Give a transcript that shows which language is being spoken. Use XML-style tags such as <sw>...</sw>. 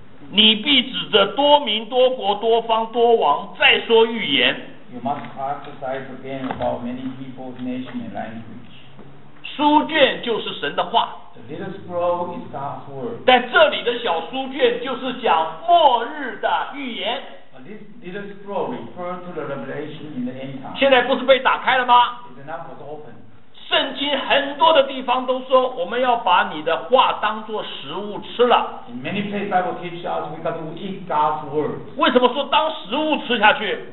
<zh>你必指着多民多国多方多王再说预言。</zh> <en>You must prophesize again about many people, nation, and language.</en> <zh>书卷就是神的话。</zh> <en>The little scroll is God's word.</en> <zh>但这里的小书卷就是讲末日的预言。</zh> <en>This little scroll refers to the revelation in the end time.</en> <zh>现在不是被打开了吗？</zh> <en>It's not was open.</en> <zh>圣经很多的地方都说我们要把你的话当作食物吃了。</zh> <en>In many places, Bible teaches us we got to eat God's word.</en> <zh>为什么说当食物吃下去？</zh>